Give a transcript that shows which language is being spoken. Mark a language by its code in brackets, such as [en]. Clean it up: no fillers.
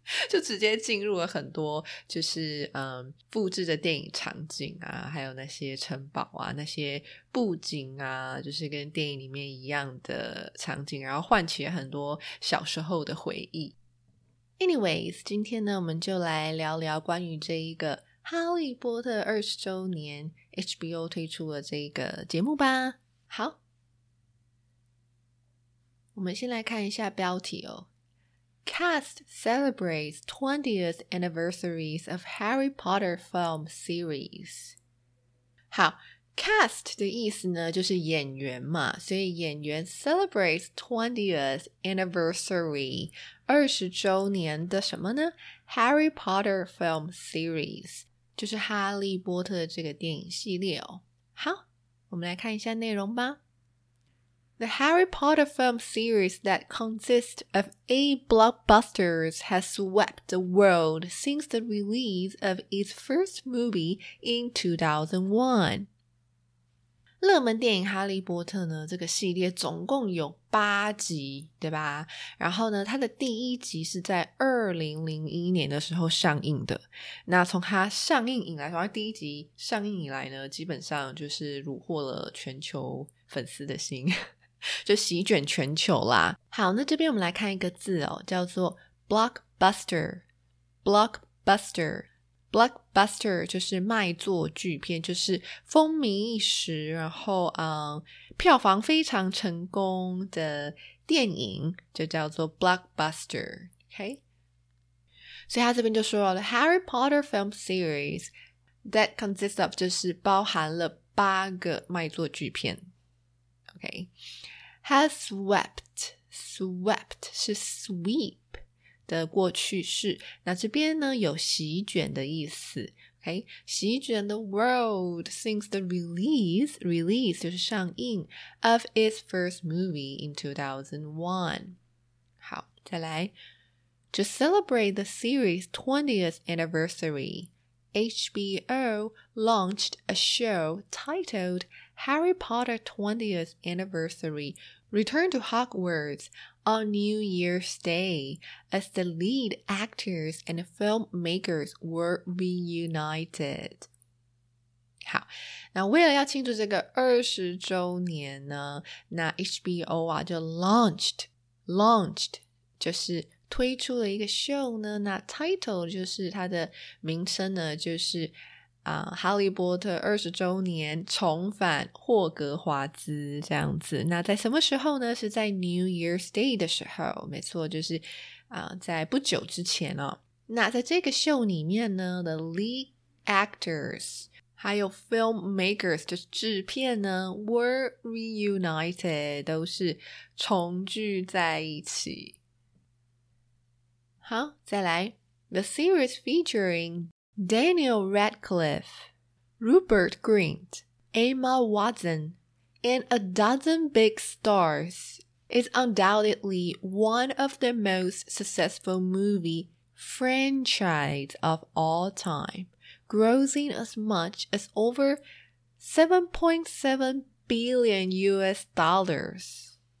[zh] 就直接进入了很多就是复制的电影场景啊，还有那些城堡啊，那些布景啊，就是跟电影里面一样的场景，然后唤起了很多小时候的回忆。 Anyways， 今天呢我们就来聊聊关于这一个哈利波特20周年 HBO 推出的这一个节目吧。好，我们先来看一下标题哦。 [en] Cast celebrates 20th anniversaries of Harry Potter film series. [zh] 好， cast 的意思呢就是演员嘛，所以演员 [en] celebrates 20th anniversary， [zh] 20周年的什么呢？ Harry Potter film series， 就是哈利波特这个电影系列哦。好，我们来看一下内容吧。 [en] The Harry Potter film series that consists of 8 blockbusters has swept the world since the release of its first movie in 2001. [zh] 热门电影《哈利波特》呢，这个系列总共有八集，对吧？然后呢，它的第一集是在2001年的时候上映的。那从它上映以来，从它第一集上映以来呢，基本上就是虏获了全球粉丝的心。就席卷全球啦。好，那这边我们来看一个字哦，叫做 blockbuster。 blockbuster blockbuster 就是卖座巨片，就是风靡一时，然后票房非常成功的电影，就叫做 blockbuster。 OK， 所以他这边就说了 [en] Harry Potter film series that consists of， [zh] 就是包含了八个卖座巨片。 OK，Has swept, swept 是 sweep 的过去式，那这边呢有席卷的意思。 OK， 席卷 [en] the world since the release， [zh] release 就是上映 [en] of its first movie in 2001。 [zh] 好，再来 [en] To celebrate the series 20th anniversary， HBO launched a show titled Harry Potter 20th AnniversaryReturn to Hogwarts on New Year's Day as the lead actors and filmmakers were reunited. [zh] 好，那为了要庆祝这个20周年呢，那 HBO 啊就 launched 就是推出了一个 show 呢，那 title 就是它的名称呢，就是哈利波特20周年重返霍格华兹这样子。那在什么时候呢？是在 New Year's Day 的时候，没错，就是在不久之前哦。那在这个秀里面呢， [en] The lead actors [zh] 还有 filmmakers 就是制片呢， [en] were reunited， [zh] 都是重聚在一起。 [en] 好，再来 The series featuringDaniel Radcliffe, Rupert Grint, Emma Watson, and a dozen big stars is undoubtedly one of the most successful movie franchise of all time, grossing as much as over $7.7 billion US dollars.